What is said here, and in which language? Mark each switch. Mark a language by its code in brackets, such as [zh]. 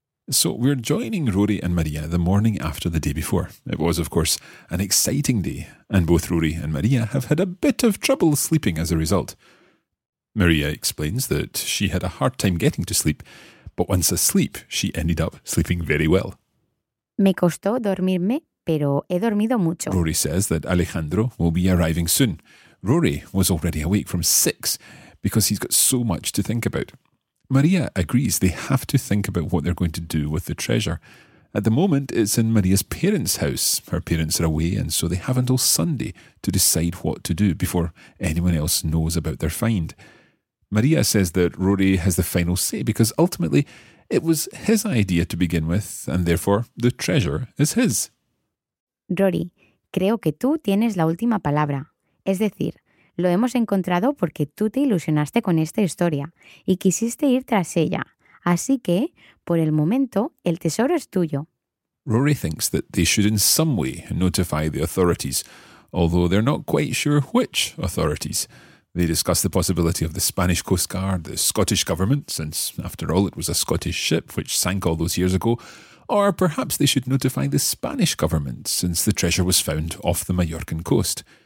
[en] So we're joining Rory and Maria the morning after the day before. It was, of course, an exciting day, and both Rory and Maria have had a bit of trouble sleeping as a result. Maria explains that she had a hard time getting to sleep, but once asleep, she ended up sleeping very well. [es] Me costó dormirme, pero he dormido mucho. [en] Rory says that Alejandro will be arriving soon. Rory was already awake from 6 because he's got so much to think about. Maria agrees they have to think about what they're going to do with the treasure. At the moment, it's in Maria's parents' house. Her parents are away, and so they have until Sunday to decide what to do before anyone else knows about their find. Maria says that Rory has the final say because ultimately it was his idea to begin with, and therefore the treasure is his. [es] Rory, creo que tú tienes la última palabra. Es decir, lo hemos encontrado porque tú te ilusionaste con esta historia y quisiste ir tras ella. Así que, por el momento, el tesoro es tuyo. [en] Rory thinks that they should in some way notify the authorities, although they're not quite sure which authorities. They discuss the possibility of the Spanish Coast Guard, the Scottish government, since, after all, it was a Scottish ship which sank all those years ago, or perhaps they should notify the Spanish government, since the treasure was found off the Mallorcan coast.